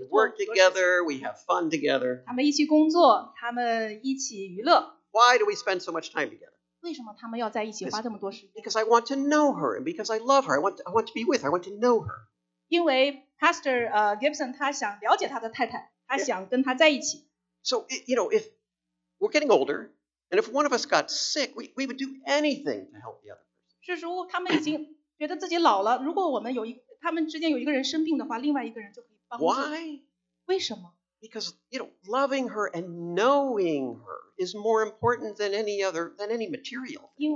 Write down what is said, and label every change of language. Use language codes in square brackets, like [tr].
[en] We work together, we have fun together. [zh] 他们一起工作，他们一起娱乐。 [en] Why do we spend so much time together? [zh] 为什么他们要在一起花这么多时间？ [en] Because I want to know her, and because I love her, I want to be with her, I want to know her. [zh] 因为Pastor Gibson他想了解他的太太，他想跟他在一起。 [en] So, you know, if we're getting older, and if one of us got sick, we would do anything to help the other person. [zh] 事实上，他们已经觉得自己老了。如果我们有一个，他们之间有一个人生病的话，另外一个人就可以帮助。 [en] Why? [zh] 为什么？ [en] Because you know, loving her and knowing her is more important than any material.